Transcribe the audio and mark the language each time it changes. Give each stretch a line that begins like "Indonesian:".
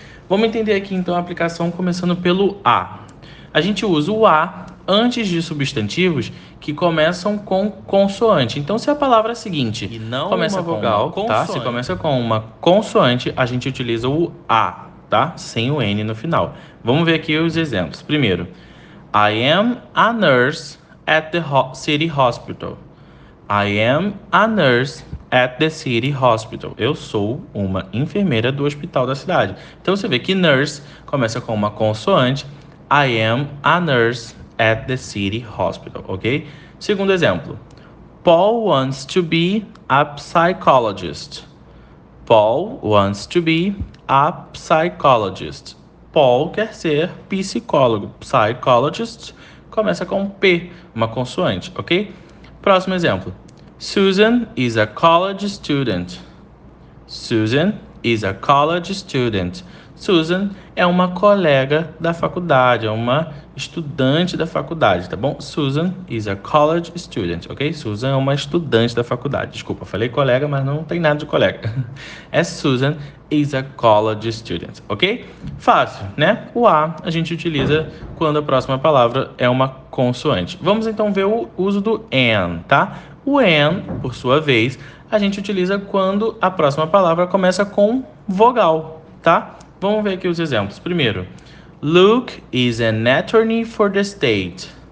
Portuguese: Vamos entender aqui, então, a aplicação começando pelo a. A gente usa o a antes de substantivos que começam com consoante. Então, se a palavra é a seguinte, e não começa uma com vogal, tá? Se começa com uma consoante, a gente utiliza o a. Tá? Sem o N no final. Vamos ver aqui os exemplos.
English: Primeiro, I am a nurse at the city hospital. I am a nurse at the city hospital.
Portuguese: Eu sou uma enfermeira do hospital da cidade. Então, você vê que nurse começa com uma consoante.
English: I am a nurse at the city hospital, ok?
Portuguese: Segundo exemplo,
English: Paul wants to be a psychologist. Paul wants to be a psychologist.
Portuguese: Paul quer ser psicólogo. Psychologist começa com P, uma consoante, ok? Próximo exemplo.
English: Susan is a college student. Susan is a college student.
Portuguese: Susan é uma colega da faculdade, é uma estudante da faculdade, tá bom?
English: Susan is a college student, ok?
Portuguese: Susan é uma estudante da faculdade. Desculpa, falei colega, mas não tem nada de colega. É
English: Susan is a college student,
Portuguese: ok? Fácil, né? O a gente utiliza quando a próxima palavra é uma consoante. Vamos então ver o uso do an, tá? O an, por sua vez, a gente utiliza quando a próxima palavra começa com vogal, tá? Vamos ver aqui os exemplos.
English: Primeiro, Luke is an attorney for the state.